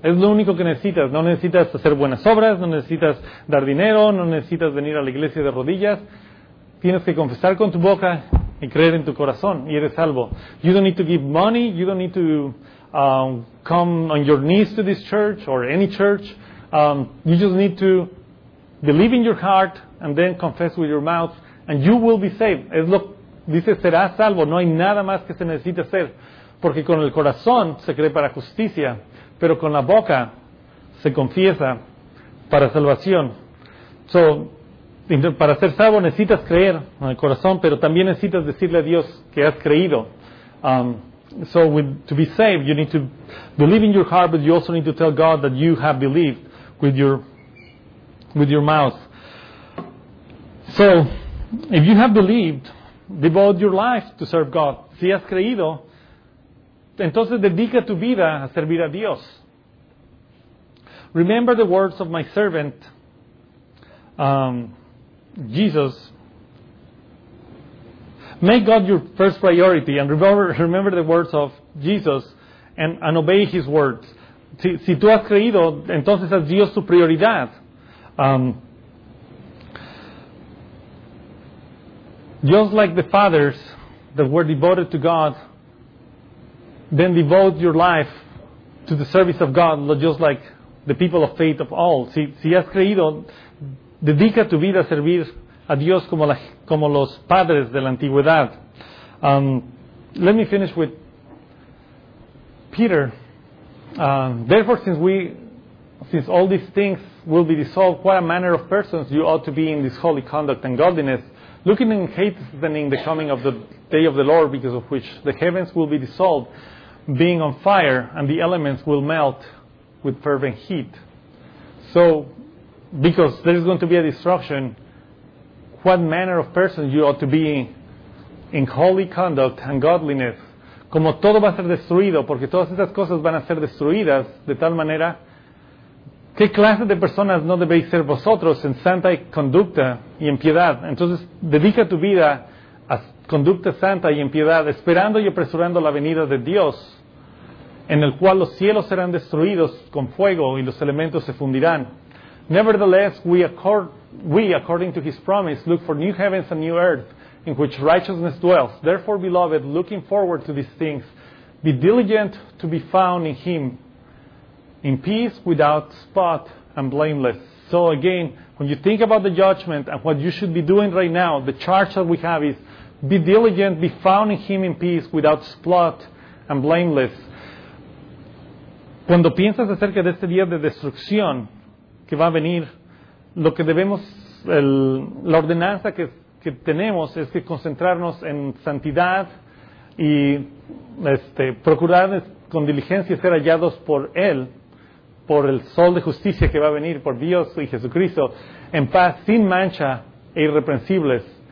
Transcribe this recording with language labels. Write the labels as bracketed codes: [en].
[es] Es lo único que necesitas. No necesitas hacer buenas obras, no necesitas dar dinero, no necesitas venir a la iglesia de rodillas. Tienes que confesar con tu boca y creer en tu corazón, y eres salvo. [en] You don't need to give money, you don't need to come on your knees to this church or any church. You just need to believe in your heart and then confess with your mouth, and you will be saved. [es] Es lo dice, serás salvo. No hay nada más que se necesite hacer. Porque con el corazón se cree para justicia, pero con la boca se confiesa para salvación. So, para ser salvo necesitas creer en el corazón, pero también necesitas decirle a Dios que has creído. [en] To be saved, you need to believe in your heart, but you also need to tell God that you have believed with your mouth. So, if you have believed, devote your life to serve God. [es] Si has creído, entonces dedica tu vida a servir a Dios. [en] Remember the words of my servant, Jesus. Make God your first priority and remember the words of Jesus and obey His words. [es] Si tú has creído, entonces haz Dios tu prioridad. [en] Just like the fathers that were devoted to God, then devote your life to the service of God, just like the people of faith of all. [es] Si has creído, dedica tu vida a servir a Dios como los padres de la antigüedad. [en] Let me finish with Peter. Therefore, since all these things will be dissolved, what a manner of persons you ought to be in this holy conduct and godliness, looking and hastening the coming of the day of the Lord, because of which the heavens will be dissolved, being on fire, and the elements will melt with fervent heat. So, because there is going to be a destruction, what manner of person you ought to be in holy conduct and godliness? [es] Como todo va a ser destruido, porque todas estas cosas van a ser destruidas de tal manera, ¿qué clase de personas no debéis ser vosotros en santa conducta y en piedad? Entonces, dedica tu vida a conducta santa y en piedad, esperando y apresurando la venida de Dios, en el cual los cielos serán destruidos con fuego y los elementos se fundirán. [en] Nevertheless, according to His promise, look for new heavens and new earth, in which righteousness dwells. Therefore, beloved, looking forward to these things, be diligent to be found in Him, in peace, without spot, and blameless. So again, when you think about the judgment and what you should be doing right now, the charge that we have is, be diligent, be found in Him in peace, without spot, and blameless. [es] Cuando piensas acerca de este día de destrucción que va a venir, lo que debemos, la ordenanza que tenemos es que concentrarnos en santidad y procurar con diligencia ser hallados por Él, por el sol de justicia que va a venir, por Dios y Jesucristo, en paz, sin mancha e irreprensibles.